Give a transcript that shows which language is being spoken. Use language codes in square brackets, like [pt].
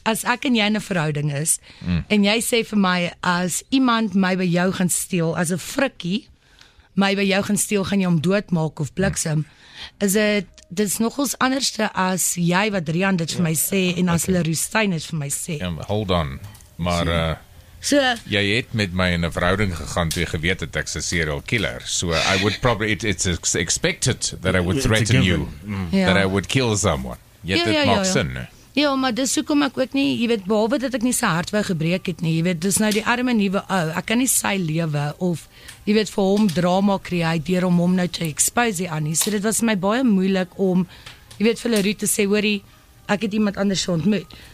[af] As ek en jy in 'n verhouding is, en jy sê vir my, as iemand my by jou gaan steel, as 'n frikkie, my by jou gaan steel, gaan jy hom doodmaak of bliksem, dit is nogals anderste as jy wat Rian dit vir my sê, en as Leroux Stein dit vir my sê. [en] Hold on, maar... [af] So, jy het met my in 'n verhouding gegaan toe jy geweet het ek's 'n serial killer. [en] So I would probably it's expected that I would threaten you that I would kill someone. Yet that maks in. [af] Ja, maar dis hoekom ek ook nie, jy weet, behalwe dat ek nie sy hart wou gebreek het nie, jy weet, dis nou die arme nuwe ou. Ek kan nie sy lewe of jy weet vir hom drama create deur om hom nou te expose aan nie. So dit was my baie moeilik om jy weet vir Leroux te sê, hoorie, ek het iemand anders ontmoet.